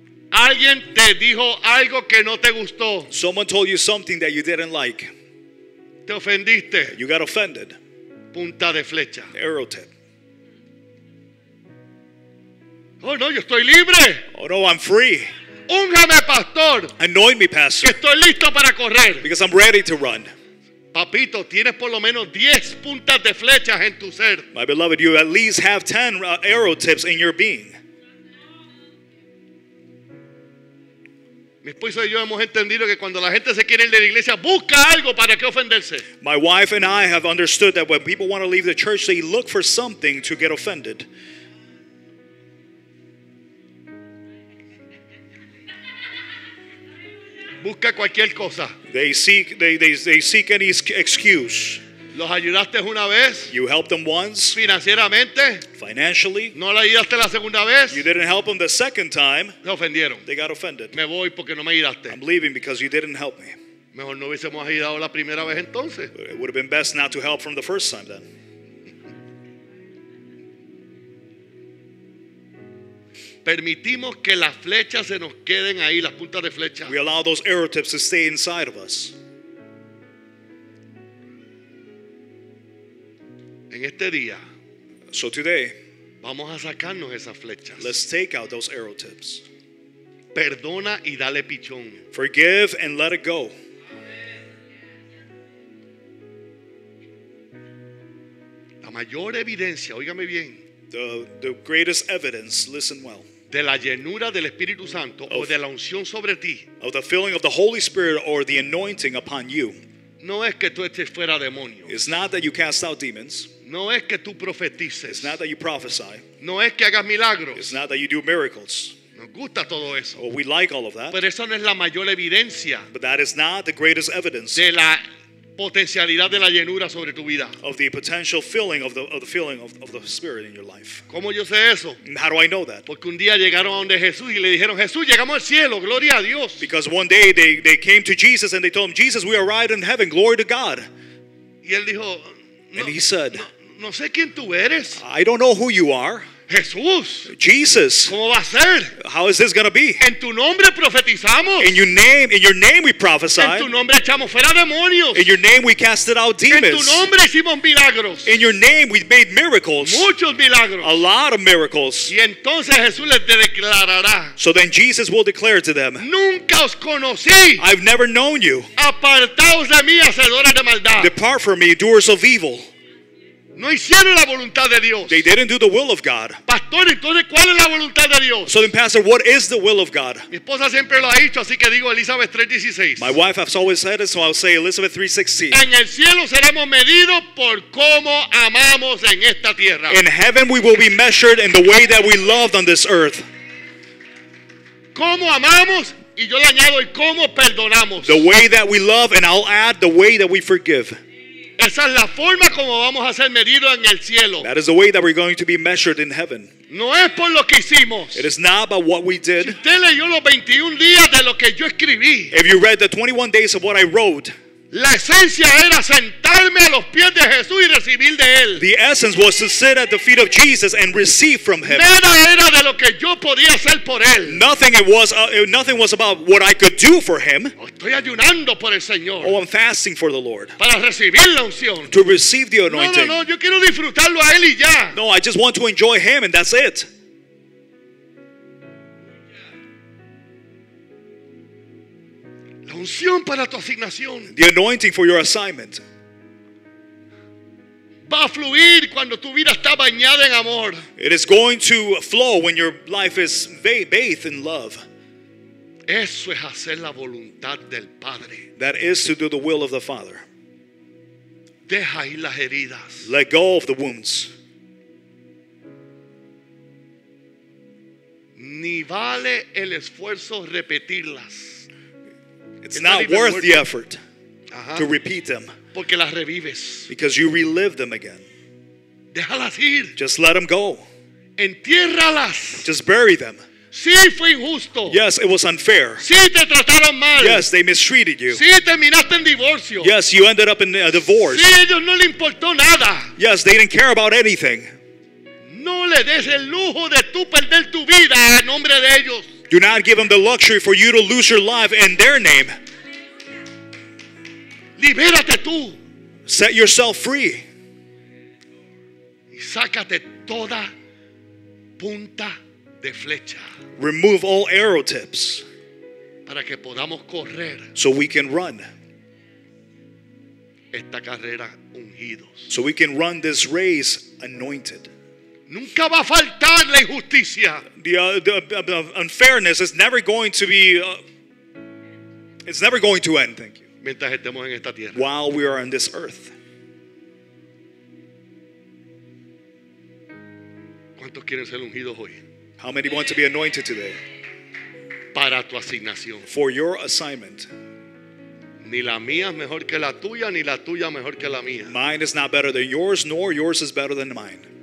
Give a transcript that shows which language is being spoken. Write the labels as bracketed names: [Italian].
[Spanish] Alguien te dijo algo que no te gustó. [English] Someone told you something that you didn't like. [Spanish] Te ofendiste. [English] You got offended. [Spanish] Punta de flecha. [English] Arrow tip. [Spanish] Oh no, yo estoy libre. [English] Oh no, I'm free. [Spanish] Úngame, pastor. [English] Anoint me, pastor. [Spanish] Estoy listo para correr. [English] Because I'm ready to run. [Spanish] Papito, tienes por lo menos 10 puntas de flechas en tu ser. [English] My beloved, you at least have 10 arrow tips in your being. [Spanish] Mi esposo y yo hemos entendido que cuando la gente se quiere ir de la iglesia, busca algo para que ofenderse. [English] My wife and I have understood that when people want to leave the church, they look for something to get offended. [Spanish] Busca cualquier cosa. [English] They seek any excuse. [Spanish] Los ayudaste una vez. [English] You helped them once. [Spanish] Financieramente. [English] Financially. [Spanish] No la ayudaste la segunda vez. [English] You didn't help them the second time. [Spanish] Se ofendieron. [English] They got offended. [Spanish] Me voy porque no me ayudaste. [English] I'm leaving because you didn't help me. [Spanish] Mejor no hubiésemos ayudado la primera vez entonces. [English] It would have been best not to help from the first time then. [Spanish] Permitimos que las flechas se nos queden ahí, las puntas de flecha. [English] We allow those arrow tips to stay inside of us. [Spanish] En este día, [English] so today, [Spanish] vamos a sacarnos esas flechas. [English] Let's take out those arrow tips. [Spanish] Perdona y dale pichón. [English] Forgive and let it go. [Spanish] La mayor evidencia, óigame bien. [English] The greatest evidence, listen well. [Spanish] De la llenura del Espíritu Santo o de la unción sobre ti. [English] Of the filling of the Holy Spirit or the anointing upon you. [Spanish] No es que tú estés fuera demonios. [English] It's not that you cast out demons. [Spanish] No es que tú profetices. [English] It's not that you prophesy. [Spanish] No es que hagas milagros. [English] It's not that you do miracles. [Spanish] Nos gusta todo eso. [English] Well, we like all of that. [Spanish] Pero eso no es la mayor evidencia. [English] But that is not the greatest evidence. [Spanish] De la potencialidad de la llenura sobre tu vida. [English] Of the potential filling of the filling of the Spirit in your life. [Spanish] ¿Cómo yo sé eso? [English] How do I know that? [Spanish] Porque un día llegaron a donde Jesús y le dijeron, Jesús, llegamos al cielo, gloria a Dios. [English] Because one day they came to Jesus and they told him, Jesus, we arrived in heaven, glory to God. [Spanish] Y él dijo, [English] and he said, [Spanish] no sé quién tú eres. [English] I don't know who you are. [Spanish] Jesús. [English] Jesus. [Spanish] ¿Cómo va a ser? [English] How is this going to be? [Spanish] En tu nombre profetizamos. [English] In your name we prophesy. [Spanish] En tu nombre echamos fuera demonios. [English] In your name we casted out demons. [Spanish] En tu nombre hicimos milagros. [English] In your name we made miracles. [Spanish] Muchos milagros. [English] A lot of miracles. [Spanish] Y entonces Jesús les declarará. [English] So then Jesus will declare to them. [Spanish] Nunca os conocí. [English] I've never known you. [Spanish] Apartaos de mí, hacedores de maldad. [English] Depart from me, doers of evil. [Spanish] No hicieron la voluntad de Dios. [English] They didn't do the will of God. [Spanish] Pastor, entonces, ¿cuál es la voluntad de Dios? [English] So then, Pastor, what is the will of God? [Spanish] Mi esposa siempre lo ha dicho, así que digo Elizabeth 3:16. [English] My wife has always said it, so I'll say Elizabeth 3:16. [Spanish] En el cielo seremos medidos por cómo amamos en esta tierra. [English] In heaven we will be measured in the way that we loved on this earth. [Spanish] ¿Cómo amamos? Y yo le añado, ¿y cómo perdonamos? [English] The way that we love, and I'll add the way that we forgive. [Spanish] Esa es la forma como vamos a ser medidos en el cielo. [English] That is the way that we're going to be measured in heaven. [Spanish] No es por lo que hicimos. [English] It is not by what we did. [Spanish] Si usted leyó los 21 días de lo que yo escribí. [English] If you read the 21 days of what I wrote. [Spanish] La esencia era sentarme a los pies de Jesús y recibir de él. [English] The essence was to sit at the feet of Jesus and receive from him. [Spanish] Nada era de lo que yo podía hacer por él. [English] Nothing was about what I could do for him. [Spanish] Estoy ayunando por el Señor. [English] Oh, I'm fasting for the Lord. [Spanish] Para recibir la unción. [English] To receive the anointing. [Spanish] No, yo quiero disfrutarlo a él y ya. [English] No, I just want to enjoy him and that's it. [Spanish] Unción para tu asignación. [English] The anointing for your assignment. [Spanish] Va a fluir cuando tu vida está bañada en amor. [English] It is going to flow when your life is bathed in love. [Spanish] Eso es hacer la voluntad del Padre. [English] That is to do the will of the Father. [Spanish] Deja ir las heridas. [English] Let go of the wounds. [Spanish] Ni vale el esfuerzo repetirlas. [English] It's not worth the effort to repeat them. [Spanish] Porque las revives. [English] Because you relive them again. [Spanish] Déjalas ir. [English] Just let them go. [Spanish] Entiérralas. [English] Just bury them. [Spanish] Sí, fue injusto. [English] Yes, it was unfair. [Spanish] Sí, te trataron mal. [English] Yes, they mistreated you. [Spanish] Sí, terminaste en divorcio. [English] Yes, you ended up in a divorce. [Spanish] Sí, ellos no le importó nada. [English] Yes, they didn't care about anything. [Spanish] No le des el lujo de tú perder tu vida en nombre de ellos. [English] Do not give them the luxury for you to lose your life in their name. [Spanish] Libérate tú. [English] Set yourself free. [Spanish] Y sácate toda punta de flecha. [English] Remove all arrow tips. [Spanish] Para que podamos correr. [English] So we can run. [Spanish] Esta carrera ungidos. [English] So we can run this race anointed. [Spanish] Nunca va a faltar la injusticia. [English] The unfairness is never going to be. It's never going to end. Thank you. [Spanish] Mientras estemos en esta tierra. [English] While we are on this earth. [Spanish] ¿Cuántos quieren ser ungidos hoy? [English] How many want to be anointed today? [Spanish] Para tu asignación. [English] For your assignment. [Spanish] Ni la mía es mejor que la tuya, ni la tuya mejor que la mía. [English] Mine is not better than yours, nor yours is better than mine.